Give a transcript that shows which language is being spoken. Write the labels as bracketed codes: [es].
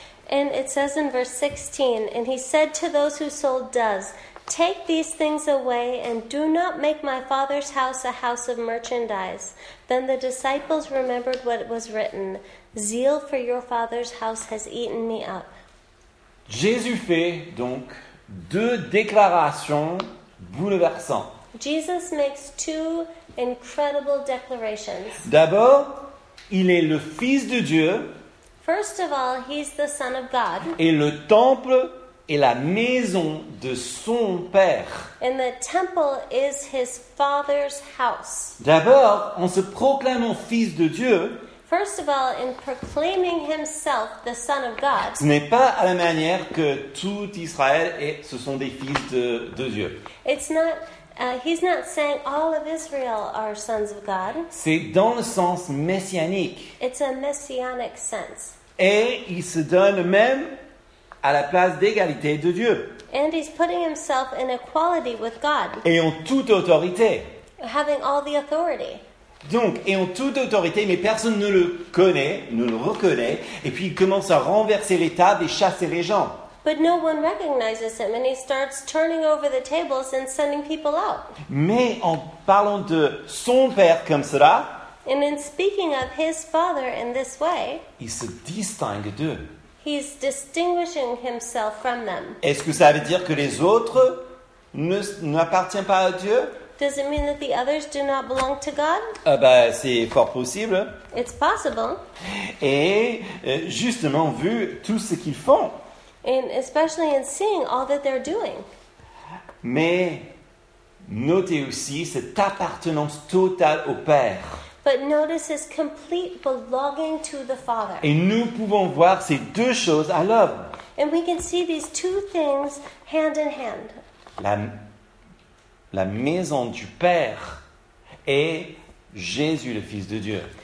[en] And it says in verse 16, and he said to those who sold doves, take these things away and do not make my father's house a house of merchandise. Then the disciples remembered what was written, zeal for your father's house has eaten me up. [fr] Jésus fait donc deux déclarations bouleversantes. [en] Jesus makes two incredible declarations. [fr] D'abord, il est le Fils de Dieu. [en] First of all, he's the Son of God. [fr] Et le temple est la maison de son Père. [en] And the temple is his father's house. [fr] D'abord, en se proclamant Fils de Dieu, [en] first of all, in proclaiming himself the Son of God, [fr] ce n'est pas à la manière que tout Israël est, ce sont des fils de Dieu. [en] It's not, he's not saying all of Israel are sons of God. [fr] C'est dans le sens messianique. [en] It's a messianic sense. [fr] Et il se donne même à la place d'égalité de Dieu. [en] And he's putting himself in equality with God. [fr] Et en toute autorité. [en] Having all the authority. [fr] Donc, et en toute autorité, mais personne ne le connaît, ne le reconnaît, et puis il commence à renverser les tables et chasser les gens. [en] But no one recognizes him, and he starts turning over the tables and sending people out. [fr] Mais en parlant de son père comme cela, [en] and in speaking of his father in this way, [fr] il se distingue d'eux. [en] He's distinguishing himself from them. [fr] Est-ce que ça veut dire que les autres n'appartiennent pas à Dieu? [en] Does it mean that the others do not belong to God? [fr] Ben, c'est fort possible. [en] It's possible. [fr] Et justement, vu tout ce qu'ils font. [en] And especially in seeing all that they're doing. [fr] Mais notez aussi cette appartenance totale au Père. [en] But notice his complete belonging to the Father. [fr] Et nous pouvons voir ces deux choses à l'œuvre. [en] And we can see these two things hand in hand. [fr] La maison du Père est Jésus, le Fils de Dieu.